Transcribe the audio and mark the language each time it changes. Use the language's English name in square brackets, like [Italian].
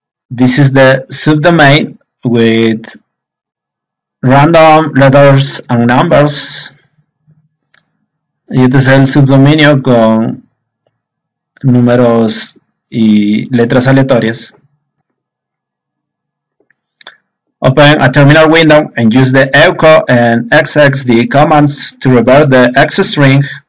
[English] This is the subdomain with random letters and numbers. [Spanish] Y este es el subdominio con números y letras aleatorias. [English] Open a terminal window and use the echo and xxd commands to revert the x string.